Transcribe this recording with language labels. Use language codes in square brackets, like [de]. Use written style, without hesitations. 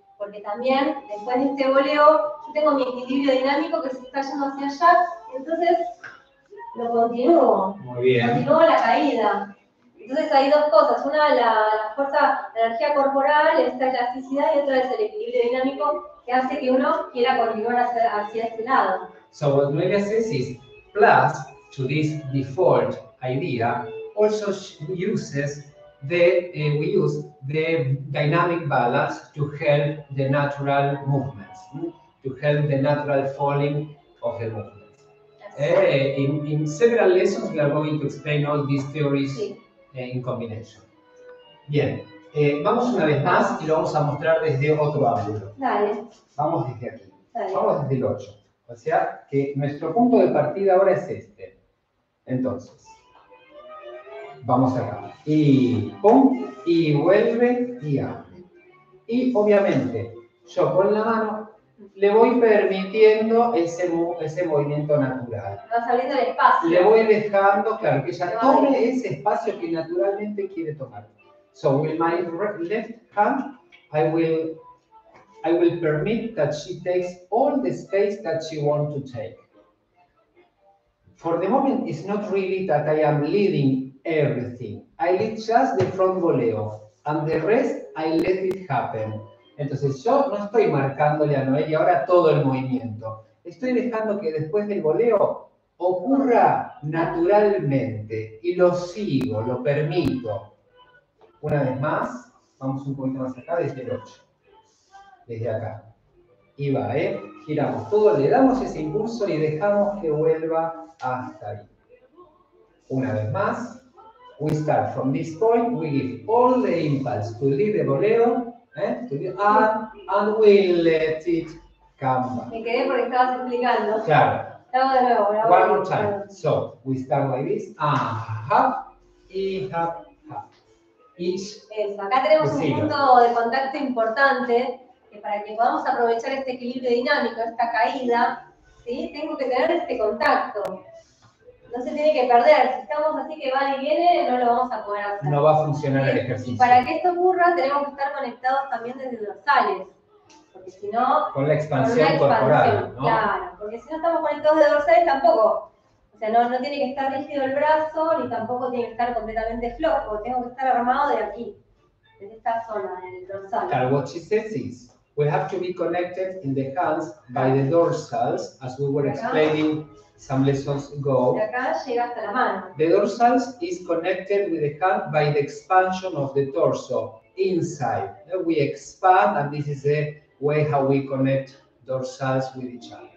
[es] Porque también, después de este voleo, yo tengo mi equilibrio dinámico que se está yendo hacia allá, entonces lo continúo. Muy bien. Continúo la caída. Entonces hay dos cosas, una la fuerza, la energía corporal, esta elasticidad, y otra es el equilibrio dinámico que hace que uno quiera continuar hacia este lado. [en] So what Noelia says is, plus to this default idea, also we use the dynamic balance to help the natural movements, to help the natural falling of the movement. In several lessons we are going to explain all these theories. [es] Sí. En combinación. Bien, vamos una vez más y lo vamos a mostrar desde otro ángulo. Dale. Vamos desde aquí. Dale. Vamos desde el 8. O sea, que nuestro punto de partida ahora es este. Entonces, vamos acá. Y pum, y vuelve y abre. Y obviamente, yo con la mano le voy permitiendo ese movimiento natural. Va saliendo del espacio. Le voy dejando, claro, que ella tome ese espacio que naturalmente quiere tomar. [en] So, with my left hand, I will permit that she takes all the space that she wants to take. For the moment, it's not really that I am leading everything. I lead just the front voleo, and the rest, I let it happen. [es] Entonces, yo no estoy marcándole a Noelia ahora todo el movimiento. Estoy dejando que después del voleo ocurra naturalmente, y lo sigo, lo permito. Una vez más, vamos un poquito más acá, desde el 8. Desde acá. Y va, giramos todo, le damos ese impulso y dejamos que vuelva hasta ahí. Una vez más, [en] we start from this point, we give all the impulse to lead the voleo, and we let it come back. [es] Me quedé porque estabas explicando. Claro. Estamos de nuevo, [en] one [es] voy. [en] More time. So, we start like this, hop, y hop, hop. [es] Eso, acá tenemos un punto de contacto importante, que para que podamos aprovechar este equilibrio dinámico, esta caída, ¿sí? Tengo que tener este contacto. No se tiene que perder. Si estamos así que va y viene, no lo vamos a poder hacer. No va a funcionar el ejercicio. Y para que esto ocurra, tenemos que estar conectados también desde los dorsales. Porque si no... Con la expansión corporal, ¿no? Claro, porque si no estamos conectados de dorsales, tampoco. O sea, no tiene que estar rígido el brazo, ni tampoco tiene que estar completamente flojo. Tengo que estar armado de aquí, en esta zona, en el dorsal. [en] Claro, what she says is, we have to be connected in the hands by the dorsals, as we were explaining some lessons ago. [es] De acá llega hasta la mano. [en] The dorsals is connected with the hand by the expansion of the torso, inside. We expand, and this is the way how we connect dorsals with each other.